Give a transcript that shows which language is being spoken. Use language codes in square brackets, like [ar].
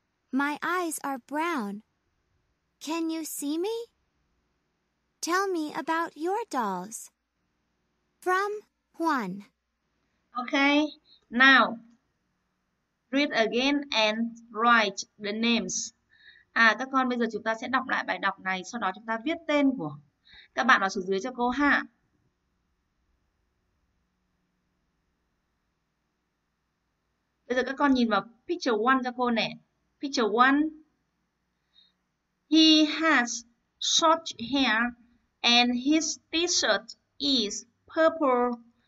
[en] My eyes are brown. Can you see me? Tell me about your dolls. From Juan. Okay, now read again and write the names. [vi] À, các con bây giờ chúng ta sẽ đọc lại bài đọc này, sau đó chúng ta viết tên của các bạn ở xuống dưới cho cô ha. Bây giờ các con nhìn vào picture 1 cho cô nè. [en] Picture 1. He has short hair and his t-shirt is purple.